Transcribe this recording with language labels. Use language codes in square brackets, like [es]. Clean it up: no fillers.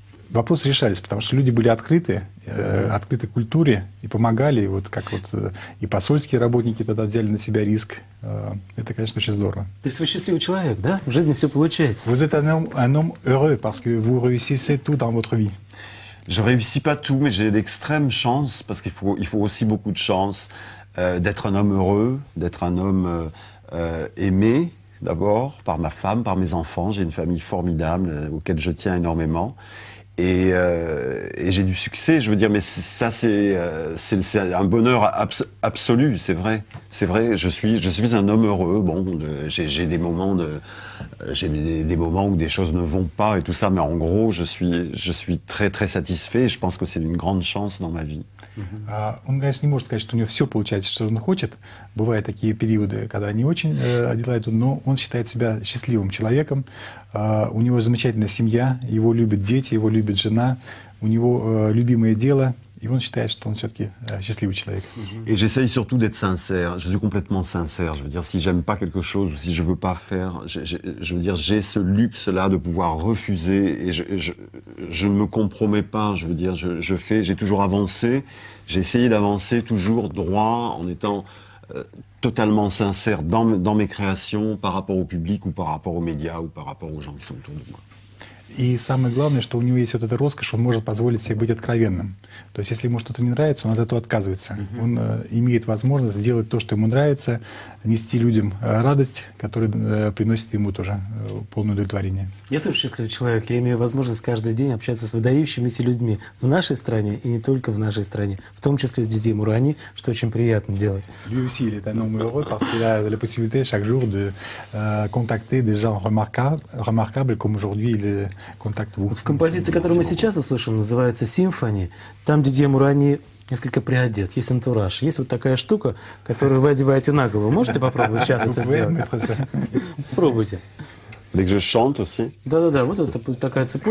[ru] Вопросы решались, потому что люди были открыты, открыты к культуре и помогали, и вот как вот и посольские работники тогда взяли на себя риск. Это, конечно, очень здорово. То есть вы счастливый человек, да? В жизни все получается. [fr] Vous êtes un homme heureux parce que vous réussissez tout dans votre vie. Je réussis pas tout, mais j'ai l'extrême chance parce qu'il faut aussi beaucoup de chance d'être un homme heureux, d'être un homme aimé d'abord par ma femme, par mes enfants. J'ai une famille formidable auquel je tiens énormément. Et j'ai du succès, je veux dire, mais ça c'est un bonheur absolu, c'est vrai. Je suis un homme heureux. Bon, j'ai des moments où des choses ne vont pas et tout ça, mais en gros, je suis très très satisfait. Et je pense que c'est une grande chance dans ma vie. [ru] Он, конечно, не может сказать, что у него все получается, что он хочет. Бывают такие периоды, когда не очень дела идут, но он считает себя счастливым человеком. У него замечательная семья, его любят дети, его любит жена, у него любимое дело, и он считает, что он все-таки счастливый человек. И [fr] j'essaye surtout d'être sincère. Je suis complètement sincère. Je veux dire, si j'aime pas quelque chose ou si je veux pas faire, je veux dire, j'ai ce luxe-là de pouvoir refuser et je ne me compromets pas. Je veux dire, je fais, j'ai toujours avancé, j'ai essayé d'avancer toujours droit en étant totalement sincère dans mes créations par rapport au public ou par rapport aux médias ou par rapport aux gens qui sont autour de moi. [ru] И самое главное, что у него есть вот эта роскошь, он может позволить себе быть откровенным. То есть если ему что-то не нравится, он от этого отказывается. Mm-hmm. Он имеет возможность сделать то, что ему нравится, нести людям радость, которая приносит ему тоже полное удовлетворение. Я тоже счастливый человек. Я имею возможность каждый день общаться с выдающимися людьми в нашей стране и не только в нашей стране, в том числе с Дидье Мурани, что очень приятно делать. [fr] Lui aussi, il est un homme heureux parce qu'il a la possibilité chaque jour de contacter des gens remarquables comme aujourd'hui il est... [ru] Контакт вот в композиции, которую мы сейчас услышим, называется «Симфони», там Дидье Мурани несколько приодет, есть антураж, есть вот такая штука, которую вы одеваете на голову. Можете попробовать сейчас это сделать? Пробуйте. [fr] Dès que je chante aussi. [ru] Да-да-да, вот это такая цепочка.